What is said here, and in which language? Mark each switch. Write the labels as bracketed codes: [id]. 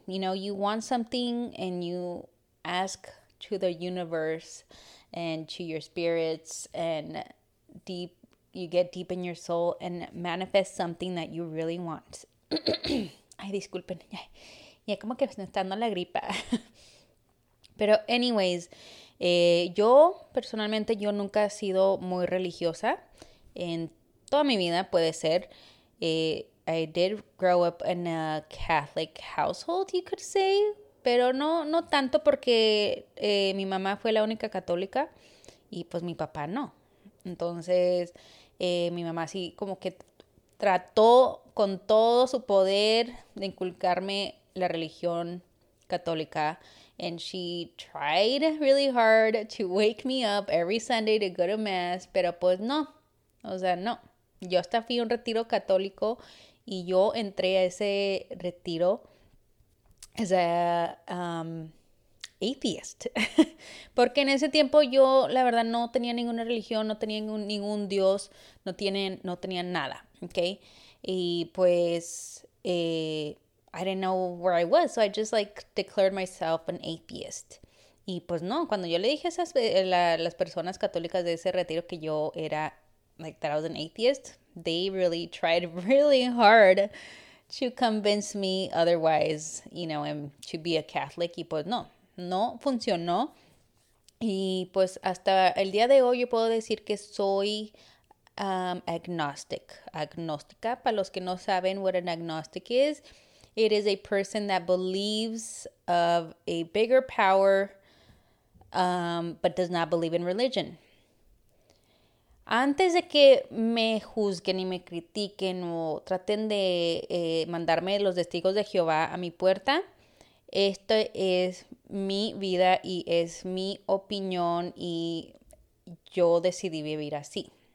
[en] You know, you want something and you ask to the universe and to your spirits and deep, you get deep in your soul and manifest something that you really want. [es] Ay, disculpen. Ya como que me está dando la gripa. Pero anyways, yo personalmente, yo nunca he sido muy religiosa en toda mi vida, puede ser. [en] I did grow up in a Catholic household, you could say, [es] pero no tanto porque mi mamá fue la única católica y pues mi papá no. Entonces, mi mamá sí como que trató con todo su poder de inculcarme la religión católica. [en] And she tried really hard to wake me up every Sunday to go to mass, [es] pero pues no, o sea, no. Yo hasta fui a un retiro católico y yo entré a ese retiro [en] as a atheist. [es] Porque en ese tiempo yo, la verdad, no tenía ninguna religión, no tenía ningún Dios, no tenía nada, okay? Y pues, [en] I didn't know where I was, so I just like declared myself an atheist. [es] Y pues no, cuando yo le dije a esas las personas católicas de ese retiro que yo era, [en] like that I was an atheist, they really tried really hard to convince me otherwise, you know, and to be a Catholic. [es] Y pues no funcionó. Y pues hasta el día de hoy yo puedo decir que soy agnóstica. Para los que no saben [en] what an agnostic is, it is a person that believes of a bigger power, but does not believe in religion. [es] Antes de que me juzguen y me critiquen o traten de mandarme los testigos de Jehová a mi puerta, esto es mi vida y es mi opinión y yo decidí vivir así.